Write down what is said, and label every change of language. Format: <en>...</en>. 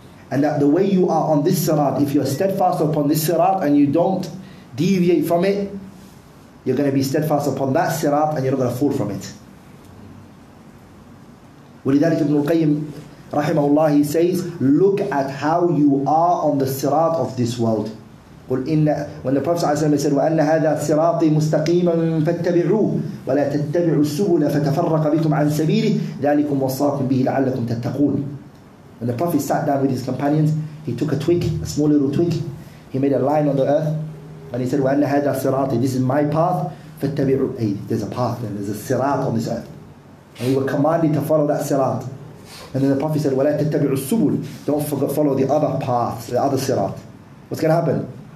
<en>And that the way you are on this sirat, if you are steadfast upon this sirat and you don't deviate from it, you're going to be steadfast upon that sirat and you're not going to fall from it.</en> <ar>ولذلك</ar> <en>ابن القيم rahimahullah, he says, look at how you are on the sirat of this world. When the Prophet said,</en> <ar>وَأَنَّ هَذَا سِرَاطِ مُسْتَقِيمًا فَاتَّبِعُوهُ وَلَا تَتَّبِعُوا السُّبُلَ فَتَفَرَّقَ بِكُمْ عَنْ سَبِيلِهِ ذَلِكُمْ وَصَّاكُمْ بِهِ لَعَلَّكُمْ تَتَّقُونَ.</ar> <en>When the Prophet sat down with his companions, he took a twig, a small little twig, he made a line on the earth, and he said,</en> <ar>وَأَنَّ هَذَا سِرَاطِ,</ar> <en>this is my path,</en> <ar>فَاتَّبِعُوا.</ar> <en>Hey, there's a path, and there's a sirat on this earth. And we were commanded to follow that sirat. And then the Prophet said,</en> <ar>وَلَا تَتَّبِعُوا السُّبُلُ,</ar> <en>don't follow the other paths, the other sirat. What's going to happen?</en>